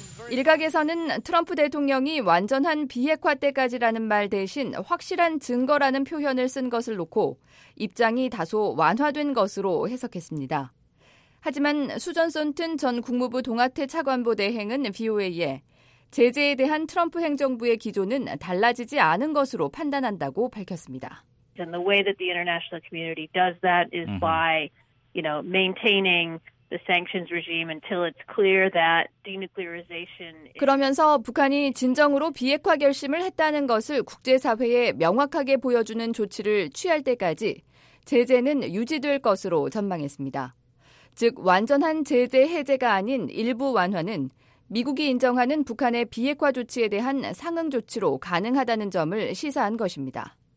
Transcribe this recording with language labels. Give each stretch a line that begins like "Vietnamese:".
Korean: 일각에서는 트럼프 대통령이 완전한 비핵화 때까지라는 말 대신 확실한 증거라는 표현을 쓴 것을 놓고 입장이 다소 완화된 것으로 해석했습니다. 하지만 수전 손튼 전 국무부 동아태 차관보 대행은 VOA에 제재에 대한 트럼프 행정부의 기조는 달라지지 않은 것으로 판단한다고 밝혔습니다.
English: And the way that the international community does that is by, you know, maintaining the sanctions regime until it's clear that denuclearization.
Korean: 그러면서 북한이 진정으로 비핵화 결심을 했다는 것을 국제사회에 명확하게 보여주는 조치를 취할 때까지 제재는 유지될 것으로 전망했습니다. 즉 완전한 제재 해제가 아닌 일부 완화는 미국이 인정하는 북한의 비핵화 조치에 대한 상응 조치로 가능하다는 점을 시사한 것입니다.